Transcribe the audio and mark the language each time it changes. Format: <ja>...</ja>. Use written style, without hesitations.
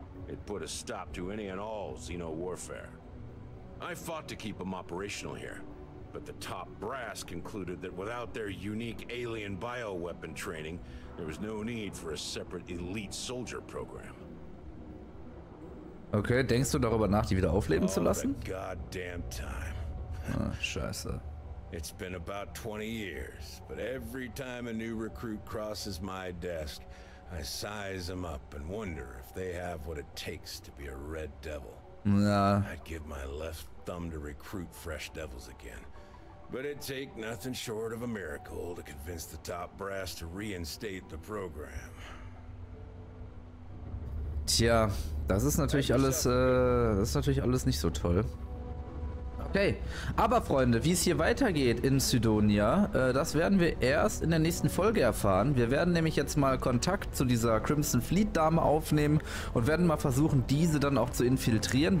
<en>It put a stop to any and all Xeno warfare. I fought to keep them operational here, but the top brass concluded that without their unique alien bioweapon training, there was no need for a separate elite soldier program.</en> <de>Okay, denkst du darüber nach, die wieder aufleben zu lassen?</de> <en>All the goddamn time.</en> <de>Ah, scheiße.</de> <en>It's been about 20 years, but every time a new recruit crosses my desk, I size them up and wonder if they have what it takes to be a Red Devil. Nah. I'd give my left thumb to recruit fresh devils again. But it'd take nothing short of a miracle to convince the top brass to reinstate the program.</en> <de>Tja, das ist natürlich alles, das ist natürlich alles nicht so toll. Okay, aber Freunde, wie es hier weitergeht in Sidonia, das werden wir erst in der nächsten Folge erfahren. Wir werden nämlich jetzt mal Kontakt zu dieser Crimson Fleet Dame aufnehmen und werden mal versuchen, diese dann auch zu infiltrieren.</de>